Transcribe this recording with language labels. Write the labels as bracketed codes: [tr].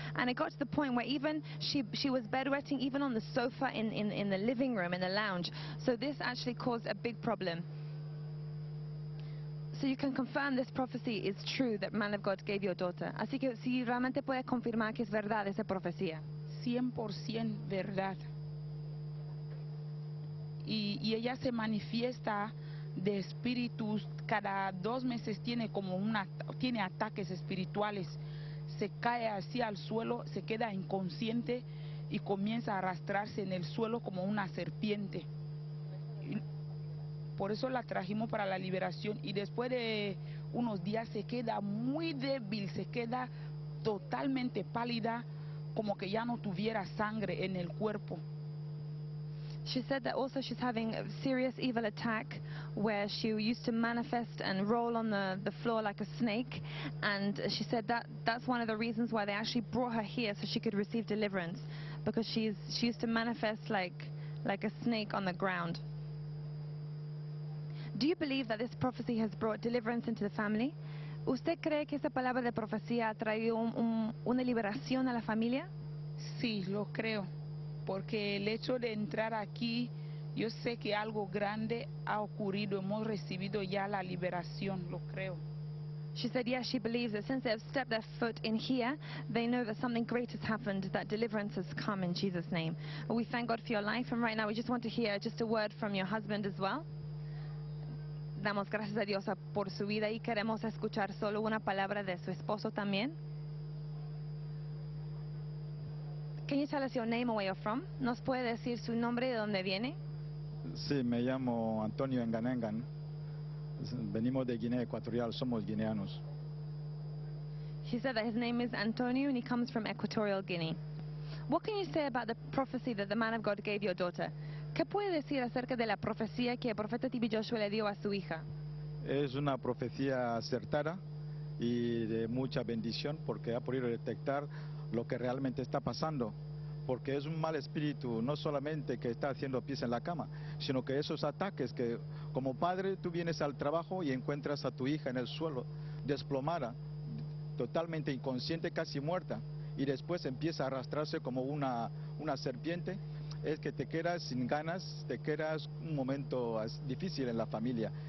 [en] And it got to the point where even she was bedwetting even on the sofa in the living room, in the lounge. So this actually caused a big problem. So you can confirm this prophecy is true that man of God gave your daughter. [es] Así que si realmente puede confirmar que es verdad esa profecía. 100% verdad. Y ella se manifiesta de espíritus, cada dos meses tiene como una, tiene ataques espirituales, se cae así al suelo, se queda inconsciente y comienza a arrastrarse en el suelo como una serpiente. Y por eso la trajimos para la liberación, y después de unos días se queda muy débil, se queda totalmente pálida, como que ya no tuviera sangre en el cuerpo. [en] She said that also she's having a serious evil attack where she used to manifest and roll on the floor like a snake, and she said that that's one of the reasons why they actually brought her here so she could receive deliverance, because she used to manifest like a snake on the ground. Do you believe that this prophecy has brought deliverance into the family? [es] ¿Usted cree que esa palabra de profecía ha traído una liberación a la familia? Sí, lo creo. Porque el hecho de entrar aquí, yo sé que algo grande ha ocurrido. Hemos recibido ya la liberación, lo creo. [en] She said, yes, she believes that since they have stepped their foot in here, they know that something great has happened, that deliverance has come in Jesus' name. We thank God for your life, and right now we just want to hear just a word from your husband as well. [es] Damos gracias a Dios por su vida y queremos escuchar solo una palabra de su esposo también. [en] Can you tell us your name or where you're from? [es] ¿Nos puede decir su nombre y de dónde viene? Sí, me llamo Antonio Enganengan. Venimos de Guinea Ecuatorial, somos guineanos. [en] She said that his name is Antonio and he comes from Equatorial Guinea. What can you say about the prophecy that the man of God gave your daughter? [es] ¿Qué puede decir acerca de la profecía que el profeta T.B. Joshua le dio a su hija? Es una profecía acertada y de mucha bendición, porque ha podido detectar lo que realmente está pasando, porque es un mal espíritu, no solamente que está haciendo pies en la cama, sino que esos ataques, que como padre tú vienes al trabajo y encuentras a tu hija en el suelo, desplomada, totalmente inconsciente, casi muerta, y después empieza a arrastrarse como una serpiente, es que te quedas sin ganas, te quedas un momento difícil en la familia.